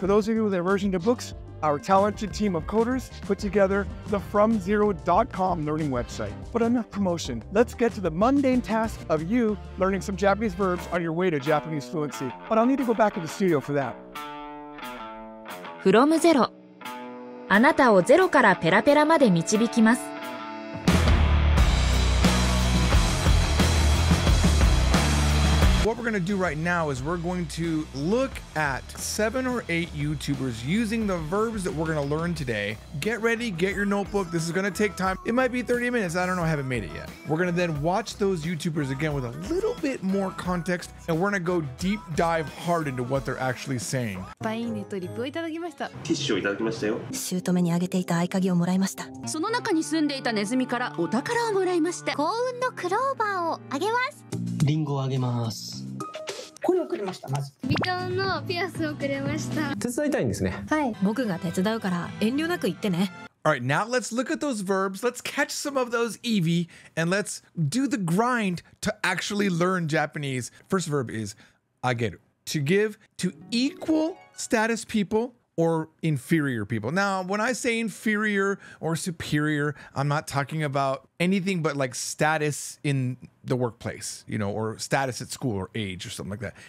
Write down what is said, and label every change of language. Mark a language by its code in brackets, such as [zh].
[en] For those of you with an aversion to books, our talented team of coders put together the FromZero.com learning website. But enough promotion. Let's get to the mundane task of you learning some Japanese verbs on your way to Japanese fluency. But I'll need to go back to the studio for that. From Zero. [ja] あなたをゼロからペラペラまで導きます。 [en] What we're going to do right now is we're going to look at 7 or 8 YouTubers using the verbs that we're going to learn today. Get ready, get your notebook. This is going to take time. It might be 30 minutes. I don't know. I haven't made it yet. We're going to then watch those YouTubers again with a little bit more context, and we're going to go deep dive hard into what they're actually saying. [ja] パインネットリップをいただきました。ティッシュをいただきましたよ。シュートメにあげていた合鍵をもらいました。その中に住んでいたネズミからお宝をもらいました。幸運のクローバーをあげます。リンゴをあげます。これをくれました、まず。ビトンのピアスをくれました。手伝いたいんですね。はい。僕が手伝うから遠慮なく言ってね。 [en] All right, now let's look at those verbs. Let's catch some of those Eevee and let's do the grind to actually learn Japanese. First verb is ageru. To give to equal status people or inferior people. Now, when I say inferior or superior, I'm not talking about anything but like status in the workplace, you know, or status at school or age or something like that.